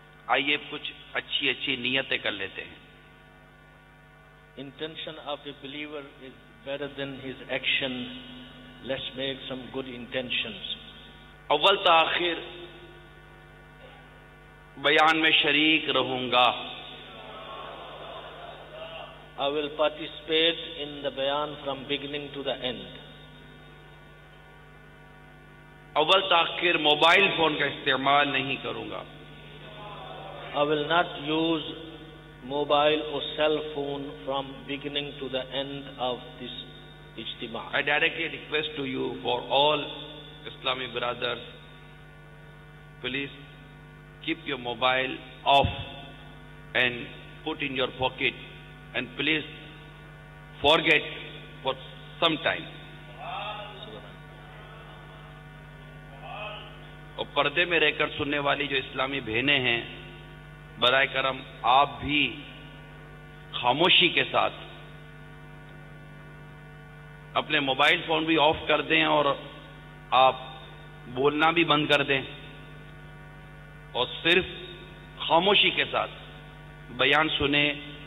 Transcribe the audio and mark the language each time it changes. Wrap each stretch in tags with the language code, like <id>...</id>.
<hi>आइए कुछ अच्छी अच्छी नियतें कर लेते हैं।</hi> <en>Intention of a believer is better than his action, let's make some good intentions.</en> <hi>अव्वल ताखिर बयान में शरीक रहूंगा।</hi> <en>I will participate in the bayan from beginning to the end.</en> <hi>अव्वल ताखिर मोबाइल फोन का इस्तेमाल नहीं करूंगा।</hi> <en>I will not use mobile or cell phone from beginning to the end of this ijtima. I directly request to you for all Islami brothers, please keep your mobile off and put in your pocket. And please forget for some time.</en> <hi>और पर्दे में रहकर सुनने वाली जो इस्लामी बहने हैं, बराए करम आप भी खामोशी के साथ अपने मोबाइल फोन भी ऑफ कर दें और आप बोलना भी बंद कर दें और सिर्फ खामोशी के साथ बयान सुने।</hi>